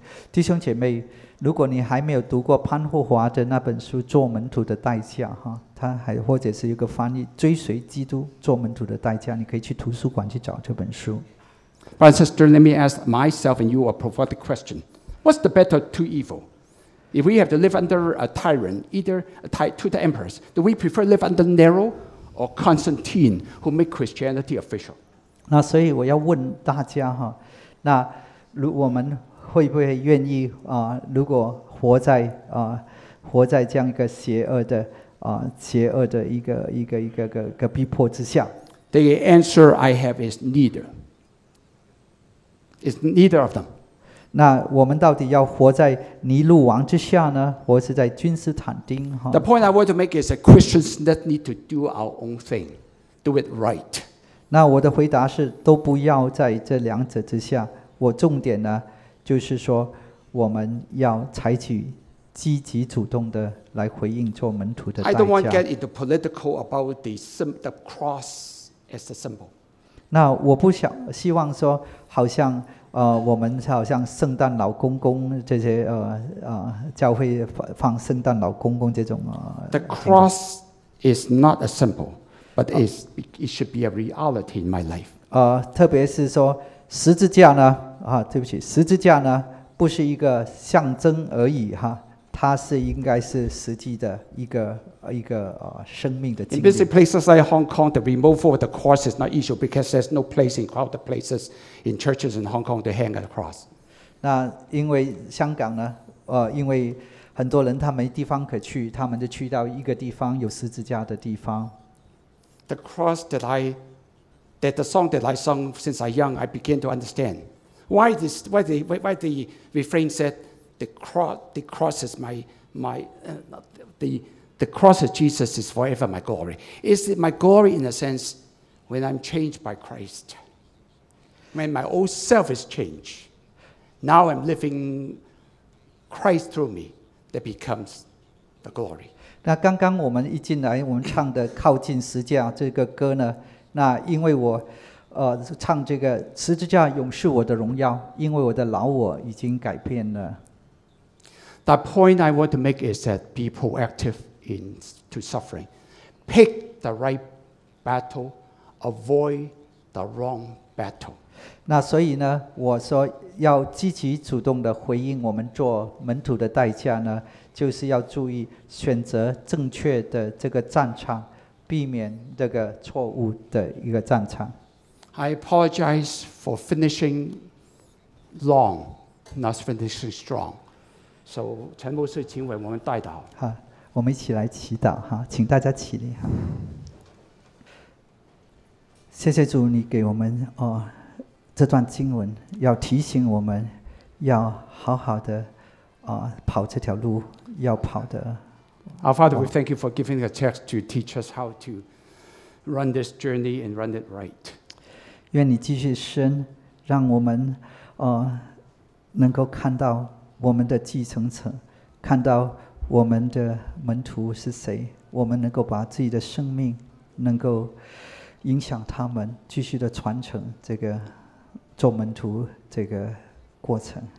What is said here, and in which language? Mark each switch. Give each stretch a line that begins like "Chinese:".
Chinese: 弟兄姐妹，如果你还没有读过潘霍华的那本书《做门徒的代价》哈，他还或者是一个翻译《追随基督：做门徒的代价》，你可以去图书馆去找这本书。
English: Brother, sister, let me ask myself and you a prophetic question. What's the better two evil? If we have to live under a tyrant, either two emperors, do we prefer live under Nero or Constantine, who make Christianity official?
Chinese: 那所以我要问大家哈，那如我们会不会愿意、啊、如果活在、啊、活在这样一个邪恶的、啊、邪恶的一个逼迫之下
English: ？The answer I have is neither. It's neither of them.
Chinese: 那我们到底要活在尼禄王之下呢，或是在君士坦丁、啊、
English: ？The point I want to make is that Christians that need to do our own thing, do it right.
Chinese: 那我的回答是都不要在这两者之下。我重点呢？就是说我们要采取积极主动的来回应做门徒的代价。
English: I don't want to get into political about the cross as a symbol.
Chinese: 那我不想希望说好像、我们好像圣诞老公公这些、教会放圣诞老公公这种、
English: The cross is not a symbol, but it should be a reality in my life.、
Chinese: 特别是说十字架呢啊、对不起，十字架呢不是一个象征而已、啊、它是应该是实际的一个、生命的经历。
English: In busy places like Hong Kong, the removal of the cross is not issue because there's no place in crowded places in churches in Hong Kong to hang a cross.
Chinese: 那因为香港呢、因为很多人他没地方可去，他们就去到一个地方有十字架的地方。
English: The cross that the song that I sung since I young, I began to understand. Why the refrain said the cross is the cross of Jesus is forever my glory. Is it my glory in a sense when I'm changed by Christ, when my old self is changed, now I'm living Christ through me that becomes the glory.
Chinese: 那刚刚我们一进来，我们唱的靠近十字架这个歌呢，那因为我。唱这个十字架永是我的荣耀，因为我的老我已经改变了。
English: The point I want to make is that be proactive in to suffering, pick the right battle, avoid the wrong battle.
Chinese: 那所以呢，我说要积极主动的回应我们做门徒的代价呢，就是要注意选择正确的这个战场，避免这个错误的一个战场。
English: I apologize for finishing long, not finishing strong. So,
Chinese: 陈牧师，请为我们代祷。好，我们一起来祈祷哈，请大家起立哈。谢谢主，你给我们哦这段经文，要提醒我们要好好的啊、跑这条路要跑的。
English: Our Father, we thank you for giving the text to teach us how to run this journey and run it right.
Chinese: 愿你继续伸，让我们、能够看到我们的继承者，看到我们的门徒是谁，我们能够把自己的生命能够影响他们，继续的传承这个做门徒这个过程。